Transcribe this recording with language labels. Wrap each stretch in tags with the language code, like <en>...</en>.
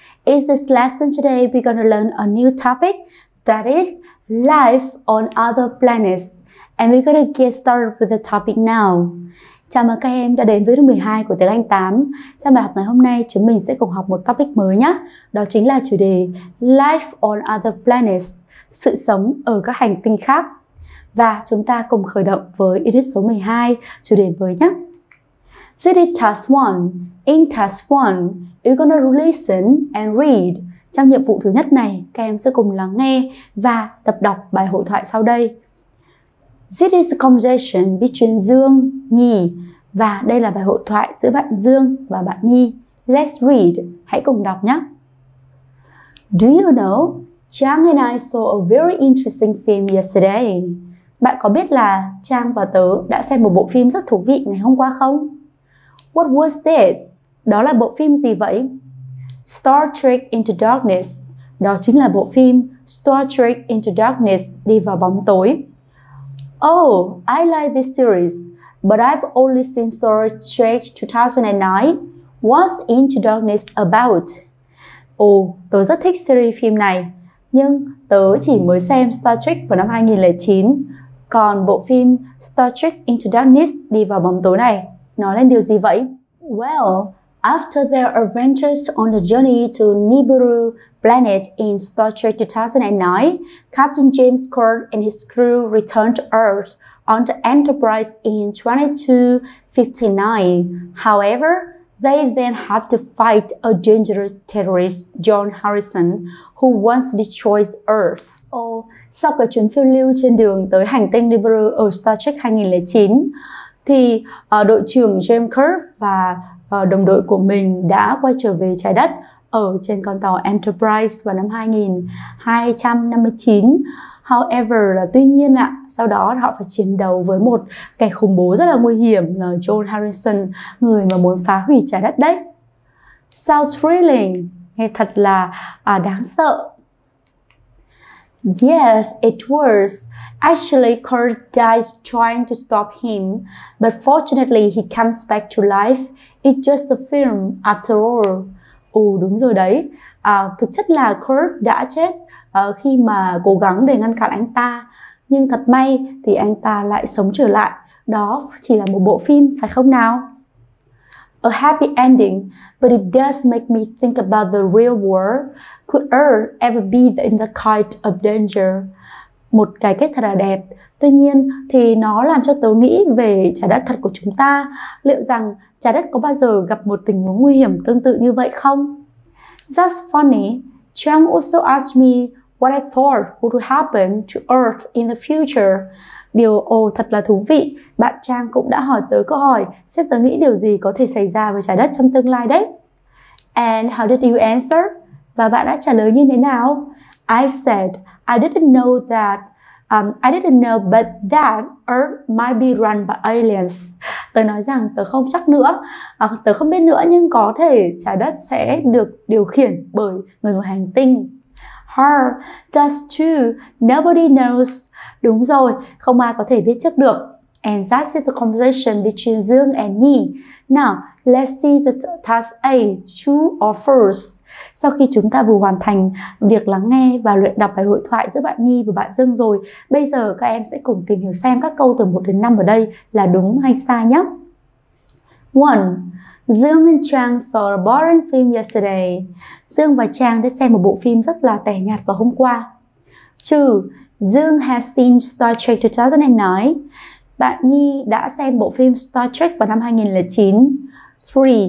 <en>In this lesson today, we're going to learn a new topic, that is life on other planets. And we're going to get started with the topic now.</en> <vi>Chào mừng các em đã đến với lớp 12 của Tiếng Anh 8. Trong bài học ngày hôm nay, chúng mình sẽ cùng học một topic mới nhé. Đó chính là chủ đề Life on other planets, sự sống ở các hành tinh khác. Và chúng ta cùng khởi động với unit số 12, chủ đề mới nhé.</vi> <en>City task 1. In task 1, you're gonna listen and read.</en> <vi>Trong nhiệm vụ thứ nhất này, các em sẽ cùng lắng nghe và tập đọc bài hội thoại sau đây.</vi> <en>City's conversation between Dương, Nhi.</en> <vi>Và đây là bài hội thoại giữa bạn Dương và bạn Nhi.</vi> <en>Let's read.</en> <vi>Hãy cùng đọc nhé.</vi> <en>Do you know, Trang and I saw a very interesting film yesterday.</en> <vi>Bạn có biết là Trang và tớ đã xem một bộ phim rất thú vị ngày hôm qua không?</vi> <en>What was that?</en> <vi>Đó là bộ phim gì vậy? Star Trek Into Darkness. Đó chính là bộ phim Star Trek Into Darkness, đi vào bóng tối.</vi> <en>Oh, I like this series, but I've only seen Star Trek 2009. What's Into Darkness about?</en> <vi>Oh, tớ rất thích series phim này, nhưng tớ chỉ mới xem Star Trek vào năm 2009. Còn bộ phim Star Trek Into Darkness, đi vào bóng tối này, nói lên điều gì vậy?</vi> <en>Well, after their adventures on the journey to Nibiru planet in Star Trek 2009, Captain James Kirk and his crew returned to Earth on the Enterprise in 2259. However, they then have to fight a dangerous terrorist, John Harrison, who wants to destroy Earth.</en> <vi>Oh, sau cái chuyến phiêu lưu trên đường tới hành tinh Nibiru ở Star Trek 2009, thì đội trưởng James Kirk và đồng đội của mình đã quay trở về trái đất ở trên con tàu Enterprise vào năm 2259. However, sau đó họ phải chiến đấu với một kẻ khủng bố rất là nguy hiểm là John Harrison, người mà muốn phá hủy trái đất đấy.</vi> <en>Sounds thrilling,</en> <vi>nghe thật là đáng sợ.</vi> <en>Yes, it was. Actually, Kurt dies trying to stop him, but fortunately he comes back to life. It's just a film after all.</en> <vi>Ồ, đúng rồi đấy. Thực chất là Kurt đã chết khi mà cố gắng để ngăn cản anh ta. Nhưng thật may thì anh ta lại sống trở lại. Đó chỉ là một bộ phim, phải không nào?</vi> <en>A happy ending, but it does make me think about the real world. Could Earth ever be in the kind of danger?</en> <vi>Một cái kết thật là đẹp, tuy nhiên thì nó làm cho tớ nghĩ về trái đất thật của chúng ta. Liệu rằng trái đất có bao giờ gặp một tình huống nguy hiểm tương tự như vậy không?</vi> <en>That's funny. Trang also asked me what I thought would happen to Earth in the future.</en> <vi>Điều thật là thú vị, bạn Trang cũng đã hỏi tớ câu hỏi xem tớ nghĩ điều gì có thể xảy ra với trái đất trong tương lai đấy.</vi> <en>And how did you answer?</en> <vi>Và bạn đã trả lời như thế nào?</vi> <en>I said, I didn't know but that Earth might be run by aliens.</en> <vi>Tớ nói rằng tớ không chắc nữa, tớ không biết nữa, nhưng có thể trái đất sẽ được điều khiển bởi người ngoài hành tinh.</vi> <en>Her, that's true, nobody knows.</en> <vi>Đúng rồi, không ai có thể biết trước được.</vi> <en>And that is the conversation between Dương and Nhi. Now, let's see the task A, true or false.</en> <vi>Sau khi chúng ta vừa hoàn thành việc lắng nghe và luyện đọc bài hội thoại giữa bạn Nhi và bạn Dương rồi, bây giờ các em sẽ cùng tìm hiểu xem các câu từ 1 đến 5 ở đây là đúng hay sai nhé. 1.</vi> <en>Dương and Trang saw a boring film yesterday.</en> <vi>Dương và Trang đã xem một bộ phim rất là tẻ nhạt vào hôm qua. 2.</vi> <en>Dương has seen Star Trek 2009.</en> <vi>Bạn Nhi đã xem bộ phim Star Trek vào năm 2009. 3.</vi>